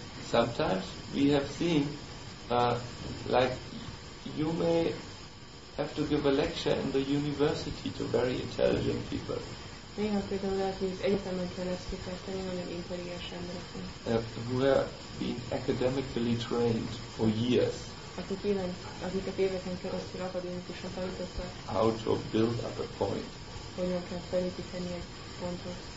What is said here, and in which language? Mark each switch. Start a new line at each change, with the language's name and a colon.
English: Sometimes we have seen, like you may have to give a lecture in the university to very intelligent people.
Hungarian: Néha például lehet, hogy egyetemen kell ezt kifejteni nagyon intelligens embereknek.
English: Who have been academically trained for years.
Hungarian: Akiket éveken keresztül akadémikusan tanítottak.
English: How to build up a point.
Hungarian: Hogyan kell felépíteni egy pontot.